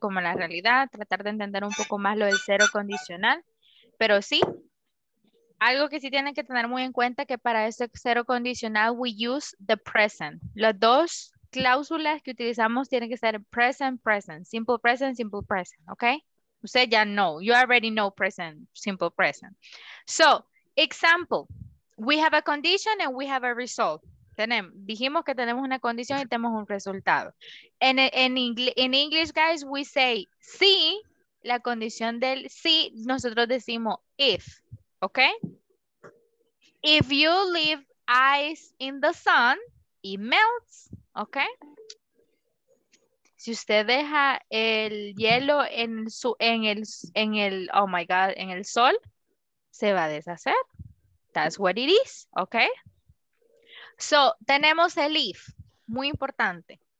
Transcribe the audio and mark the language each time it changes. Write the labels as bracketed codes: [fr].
[es] Como a la realidad, tratar de entender un poco más lo del cero condicional, pero sí, algo que sí tienen que tener muy en cuenta que para ese cero condicional [en] we use the present, [es] los dos cláusulas que utilizamos tienen que ser present, [en] simple present, [es] ¿ok? Usted ya [en] know, you already know present, simple present. So, example, we have a condition and we have a result. [es] Dijimos que tenemos una condición y tenemos un resultado. [en] In English, guys, we say [es] si, la condición del si, nosotros decimos if, ¿ok? [en] If you leave ice in the sun, it melts. ¿Ok? [es] Si usted deja el hielo en el sol, se va a deshacer. [en] That's what it is. ¿Ok? So, [es] tenemos el if. Muy importante.